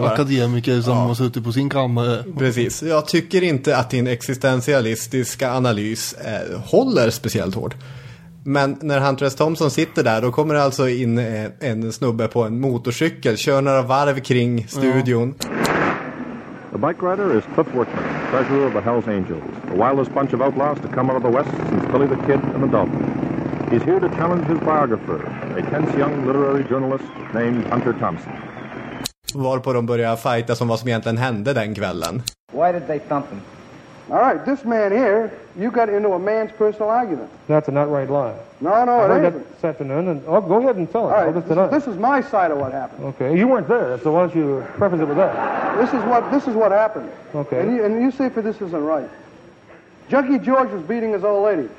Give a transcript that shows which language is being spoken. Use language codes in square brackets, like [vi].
[sv] bara, akademiker som har suttit på sin kammare. Precis. Jag tycker inte att din existentialistiska analys håller speciellt hård. Men när Hunter S. Thompson sitter där, då kommer det alltså in en snubbe på en motorcykel, kör några varv kring studion. [en] The bike rider is Cliff Workman, treasurer of the Hells Angels, the wildest bunch of outlaws to come out of the West since Billy the Kid and the Dalton. He's here to challenge his biographer, a tense young literary journalist named Hunter Thompson. [sv] Varpå de började fighta som vad som egentligen hände den kvällen. [en] Why did they thump him? All right, this man here, you got into a man's personal argument. That's an outright lie. No, it ain't. This afternoon, and oh, go ahead and tell it. All right, this is my side of what happened. Okay, you weren't there, so why don't you preface it with that? This is what happened. Okay. And you say if this isn't right. Junkie George was beating his old lady.